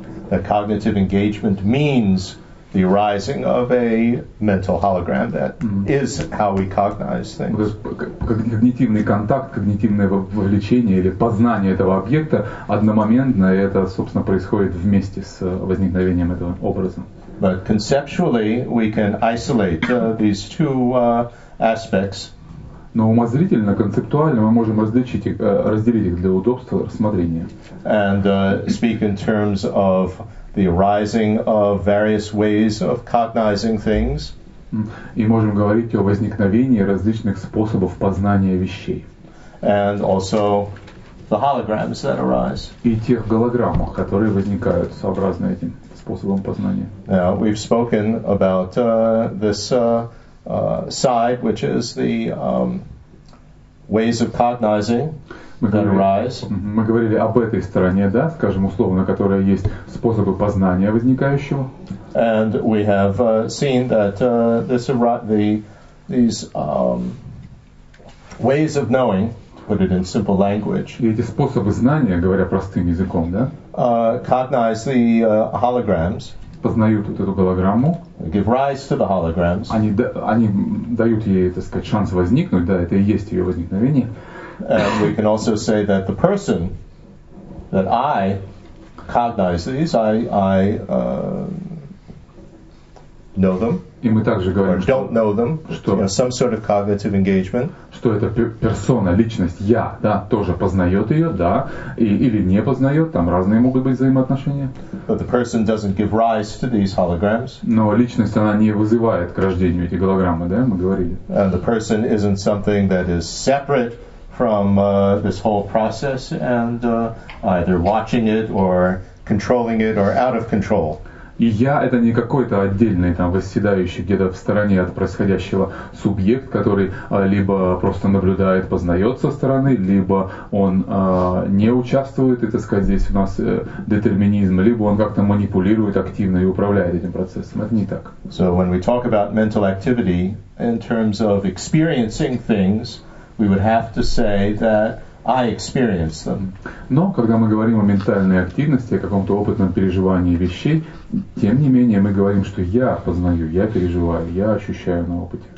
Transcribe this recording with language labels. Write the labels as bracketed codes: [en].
[en] The cognitive engagement means the arising of a mental hologram that is how we cognize things. [ru] Когнитивный контакт, когнитивное вовлечение или познание этого объекта одномоментно, это, собственно, происходит вместе с возникновением этого образа. [en] But conceptually, we can isolate these two aspects. [ru] Но умозрительно, концептуально мы можем разделить их для удобства рассмотрения. [en] And speak in terms of the arising of various ways of cognizing things. [ru] И можем говорить о возникновении различных способов познания вещей. [en] And also the holograms that arise. [ru] И тех голограммах, которые возникают сообразно этим способом познания. [en] Now, we've spoken about this side, which is the ways of cognizing. [ru] Мы говорили об этой стороне, да, скажем условно, которая есть способы познания возникающего. [en] And we have seen that these ways of knowing, put it in simple language. [ru] И эти способы знания, говоря простым языком, да? [en] Cognize the holograms. [ru] Познают вот эту голограмму. [en] Give rise to the holograms. [ru] Они дают ей, так сказать, шанс возникнуть, да, это и есть ее возникновение. [en] And we can also say that the person that I cognize these, I know them. [ru] И мы также говорим, [en] or don't know them, [ru] что, [en] you know, some sort of cognitive engagement. [ru] Что эта персона, личность, я, да, тоже познает ее, да, и, или не познает, там разные могут быть взаимоотношения. [en] But the person doesn't give rise to these holograms. [ru] Но личность, она не вызывает к рождению эти голограммы, да, мы говорили. [en] And the person isn't something that is separate from this whole process and either watching it or controlling it or out of control. [ru] И я — это не какой-то отдельный, там, восседающий где-то в стороне от происходящего субъект, который либо просто наблюдает, познает со стороны, либо он не участвует, и, так сказать, здесь у нас детерминизм, либо он как-то манипулирует активно и управляет этим процессом. Это не так. [en] So when we talk about mental activity in terms of experiencing things, we would have to say that I experience them. [ru] Но когда мы говорим о ментальной активности, о каком-то опытном переживании вещей, тем не менее мы говорим, что я познаю, я переживаю, я ощущаю на опыте.